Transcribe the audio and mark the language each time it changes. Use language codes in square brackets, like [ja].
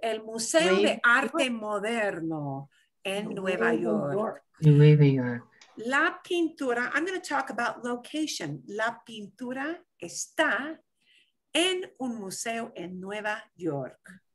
[es] El Museo de Arte Moderno en Nueva York. Nueva York. La pintura, [en] I'm going to talk about location. [es] La pintura está en un museo en Nueva York.